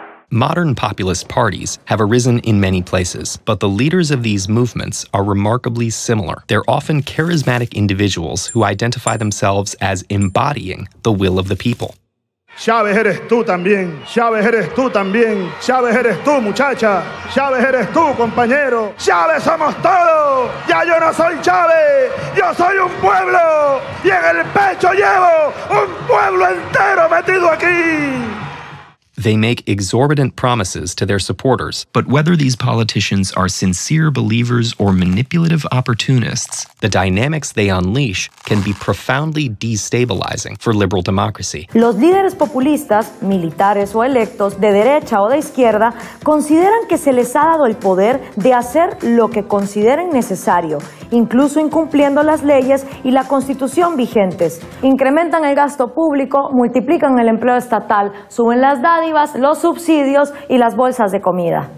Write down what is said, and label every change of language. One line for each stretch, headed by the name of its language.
English: Modern populist parties have arisen in many places, but the leaders of these movements are remarkably similar. They're often charismatic individuals who identify themselves as embodying the will of the people.
Spanish: Chávez eres tú también, Chávez eres tú también, Chávez eres tú muchacha, Chávez eres tú compañero, Chávez somos todos, ya yo no soy Chávez, yo soy un pueblo y en el pecho llevo un pueblo entero metido aquí.
English: They make exorbitant promises to their supporters, but whether these politicians are sincere believers or manipulative opportunists, the dynamics they unleash can be profoundly destabilizing for liberal democracy.
Spanish: Los líderes populistas, militares o electos, de derecha o de izquierda, consideran que se les ha dado el poder de hacer lo que consideren necesario, incluso incumpliendo las leyes y la constitución vigentes. Incrementan el gasto público, multiplican el empleo estatal, suben las dádivas, los subsidios y las bolsas de comida.